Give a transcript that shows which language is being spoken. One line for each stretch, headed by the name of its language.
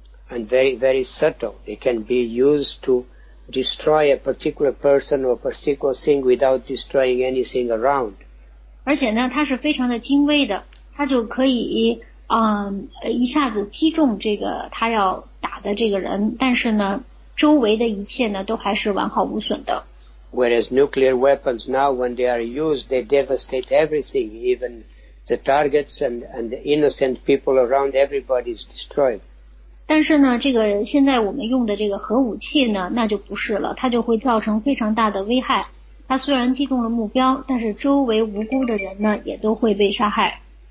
English: And very, very subtle. It can be used to destroy a particular person or a particular thing without destroying anything around.
Chinese: 而且呢，它是非常的精微的，它就可以一下子击中这个它要。的这个人，但是呢，周围的一切呢，都还是完好无损的。
English: Whereas nuclear weapons now, when they are used, they devastate everything, even the targets and the innocent people around, everybody is destroyed.
Chinese: 但是呢，这个现在我们用的这个核武器呢，那就不是了，它就会造成非常大的危害。它虽然击中了目标，但是周围无辜的人呢，也都会被杀害。